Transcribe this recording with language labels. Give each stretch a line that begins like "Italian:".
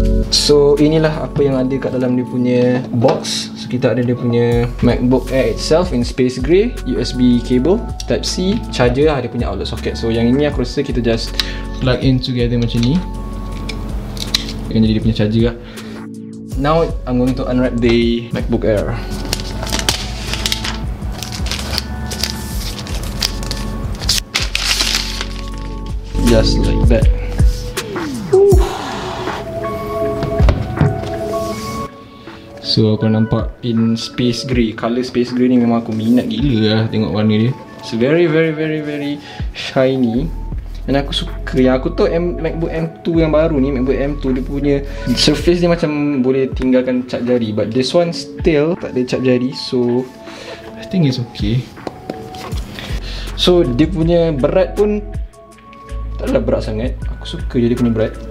Malay: So inilah apa yang ada kat dalam dia punya box. So kita ada dia punya MacBook Air
English: itself in space grey,
Malay: USB cable, type C, charger lah, dia punya outlet socket. So yang ini aku rasa kita
English: just plug in together
Malay: macam ni. Yang jadi dia punya charger lah.
English: Now I'm going to unwrap the MacBook Air. Just like that.
Malay: So aku nampak in space grey. Color space grey ni memang aku minat gila lah tengok warna dia.
English: It's very very very very shiny.
Malay: Dan aku suka yang aku tahu MacBook M2 yang baru ni, MacBook M2 dia punya surface dia macam boleh tinggalkan cap jari.
English: But this one still
Malay: tak ada cap jari,
English: so I think it's okay.
Malay: So dia punya berat pun tak adalah berat sangat. Aku suka je dia punya berat.